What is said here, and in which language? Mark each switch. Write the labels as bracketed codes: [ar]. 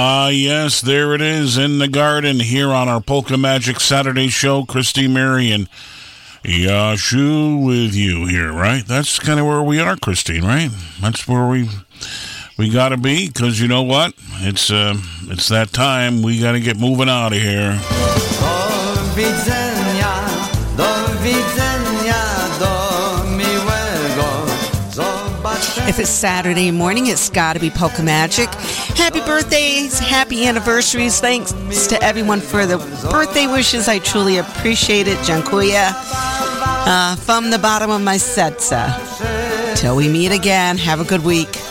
[en] Yes, there it is in the garden here on our Polka Magic Saturday show. Christy Marion, Yashu with you here, right? That's kind of where we are, Christine, right? That's where we got to be because you know what? It's that time. We got to get moving out of here. [pl] Do widzenia, do widzenia, do miłego. Zobaczcie. [en] If it's Saturday morning, it's got to be Polka Magic. Happy birthdays, happy anniversaries. Thanks to everyone for the birthday wishes. I truly appreciate it. Dziękuję. From the bottom of my serca. Till we meet again. Have a good week.